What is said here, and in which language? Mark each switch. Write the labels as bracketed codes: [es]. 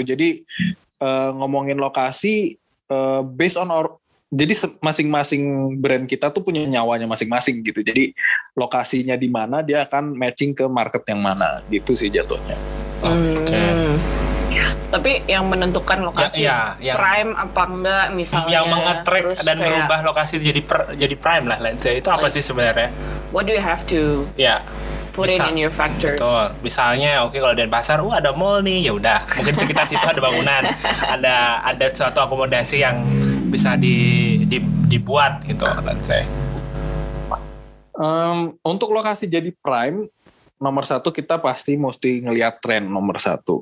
[id] Jadi ngomongin lokasi [en] based on our, [id] jadi masing-masing brand kita tuh punya nyawanya masing-masing gitu. Jadi lokasinya di mana, dia akan matching ke market yang mana gitu sih jatuhnya. Oke. Tapi yang menentukan lokasi ya, ya, prime ya, apa enggak misalnya, yang mengattract dan kayak merubah lokasi jadi jadi prime lah, [en] let's say, [id] itu apa sih sebenarnya? [en] What do you have to put in your factors? [id] Betul. Misalnya, okay, kalau Denpasar, ada mall nih, ya udah. Mungkin sekitar situ ada bangunan, ada suatu akomodasi yang bisa dibuat gitu, [en] let's say. [id] Untuk lokasi jadi prime, nomor satu kita pasti mesti ngelihat tren nomor satu.